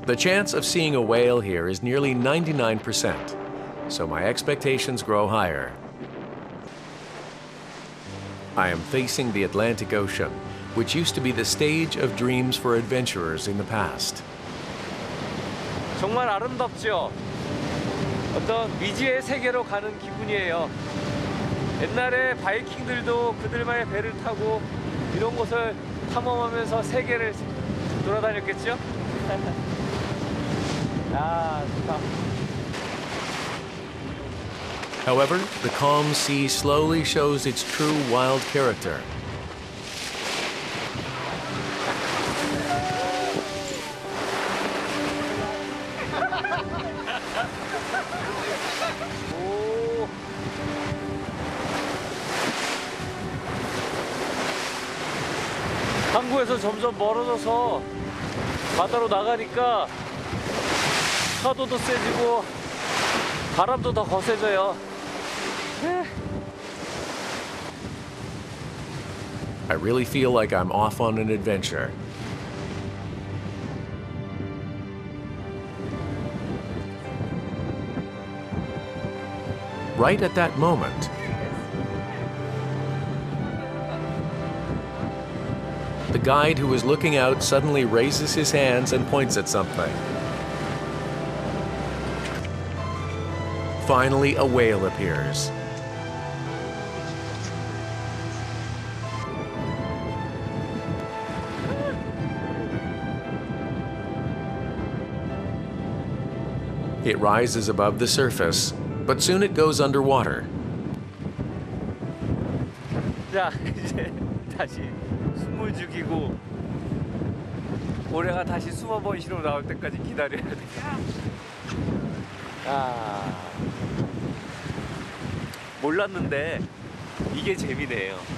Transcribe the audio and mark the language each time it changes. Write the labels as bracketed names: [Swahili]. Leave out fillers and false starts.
[English] The chance of seeing a whale here is nearly 99%, so my expectations grow higher. I am facing the Atlantic Ocean, which used to be the stage of dreams for adventurers in the past. [Korean] 정말 아름답죠? 어떤 미지의 세계로 가는 기분이에요. 옛날에 바이킹들도 그들만의 배를 타고 이런 곳을 탐험하면서 세계를 돌아다녔겠죠? 아, 좋다. [English] However, the calm sea slowly shows its true wild character. Oh. [Korean] 점점 멀어져서 바다로 나가니까 파도도 세지고 바람도 더 거세져요. [English] I really feel like I'm off on an adventure. Right at that moment, the guide who was looking out suddenly raises his hands and points at something. Finally, a whale appears. It rises above the surface, but soon it goes underwater. [Korean] 자, 이제 다시 숨을 죽이고 고래가 다시 수어 번식으로 나올 때까지 기다려야 돼. 아. 몰랐는데 이게 재미네요.